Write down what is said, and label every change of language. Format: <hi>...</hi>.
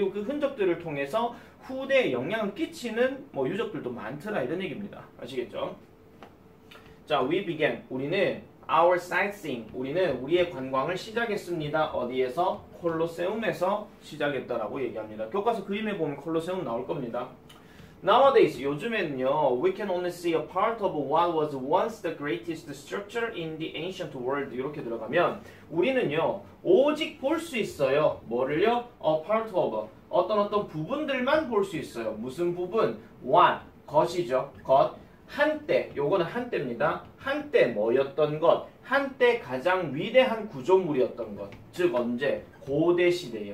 <ko>그리고 그 흔적들을 통해서 후대에 영향을 끼치는 뭐 유적들도 많더라 이런 얘기입니다.</ko> <en>아시겠죠? 자, we began. 우리는 our sightseeing.</en> <ko>우리는 우리의 관광을 시작했습니다. 어디에서? 콜로세움에서 시작했다라고 얘기합니다. 교과서 그림에 보면 콜로세움 나올 겁니다.</ko> <en>Nowadays,</en> <ko>요즘에는요,</ko> <en>we can only see a part of what was once the greatest structure in the ancient world.</en> <ko>이렇게 들어가면, 우리는요, 오직 볼수 있어요. 뭐를요?</ko> <en>A part of.</en> <ko>어떤 부분들만 볼수 있어요. 무슨 부분? What? 것이죠. 것. 한때, 요거는 한때입니다. 한때 뭐였던 것? 한때 가장 위대한 구조물이었던 것. 즉, 언제? 고대 시대에.</ko>